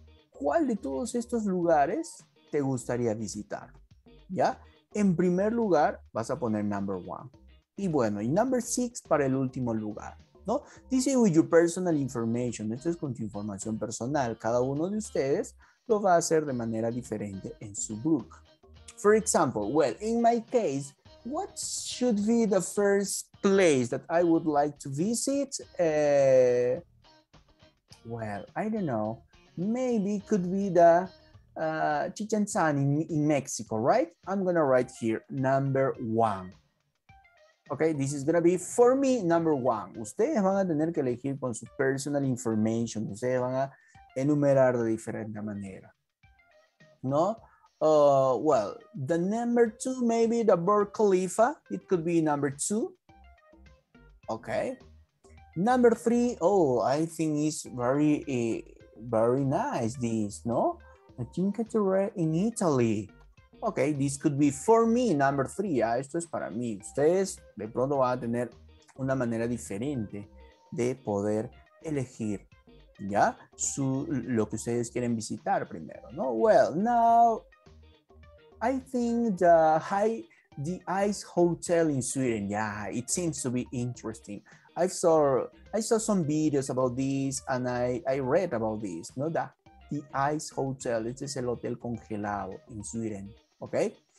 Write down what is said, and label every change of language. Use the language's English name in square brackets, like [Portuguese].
[Spanish] ¿Cuál de todos estos lugares te gustaría visitar? ¿Ya? En primer lugar, vas a poner [English] number one. [Spanish] Y bueno, y [English] number six [Spanish] para el último lugar. ¿No? [English] This is with your personal information. [Spanish] Esto es con tu información personal. Cada uno de ustedes lo va a hacer de manera diferente en su book. [English] For example, well, in my case, what should be the first place that I would like to visit? Well, I don't know. Maybe it could be the Chichen Itza in Mexico, right? I'm gonna write here number one. Okay, this is gonna be for me number one. [Spanish] Ustedes van a tener que elegir con su [English] personal information. [Spanish] Ustedes van a enumerar de diferente manera. No? [English] Well, the number two, maybe the Burj Khalifa. It could be number two. Okay. Number three, oh, I think it's very, very nice, this, no? A Cinque Terre in Italy. Okay, this could be for me, number three. [Spanish] Ah, esto es para mí. Ustedes de pronto van a tener una manera diferente de poder elegir. Ya, su, lo que ustedes quieren visitar primero, ¿no? [English] Well, now, I think the Ice Hotel in Sweden, yeah, it seems to be interesting. I saw some videos about this, and I read about this, ¿no? The Ice Hotel, [Spanish] este es el hotel congelado [English] in Sweden, okay?